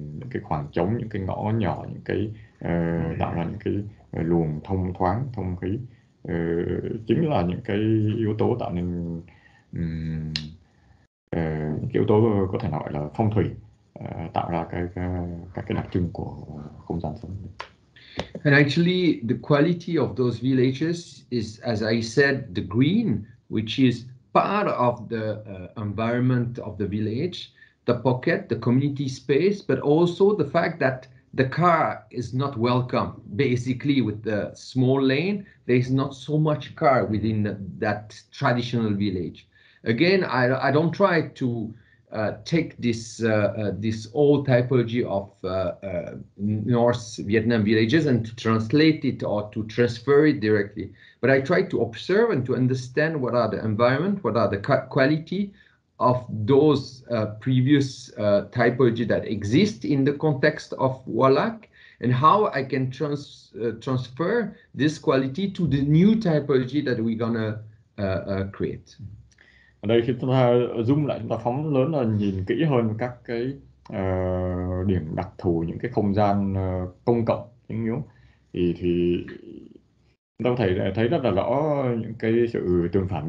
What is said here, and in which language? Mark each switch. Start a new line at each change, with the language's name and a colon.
Vietnamese: cái khoảng trống, những cái ngõ nhỏ, những cái tạo ra những cái luồng thông thoáng, thông khí, chính là những cái yếu tố tạo nên cái yếu tố có thể gọi là phong thủy, tạo ra cái đặc trưng của không gian sống.
English: And actually the quality of those villages is, as I said, the green, which is part of the environment of the village, the pocket, the community space, but also the fact that the car is not welcome. Basically, with the small lane, there is not so much car within that traditional village. again, I don't try to take this this old typology of North Vietnam villages and to translate it or to transfer it directly. But I try to observe and to understand what are the environment, what are the quality of those previous typology that exist in the context of Wallach, and how I can transfer this quality to the new typology that we're gonna create.
Vietnamese: Ở đây chúng ta zoom lại, chúng ta phóng lớn là nhìn kỹ hơn các cái điểm đặc thù, những cái không gian công cộng những yếu thì chúng ta có thể thấy rất là rõ những cái sự tương phản.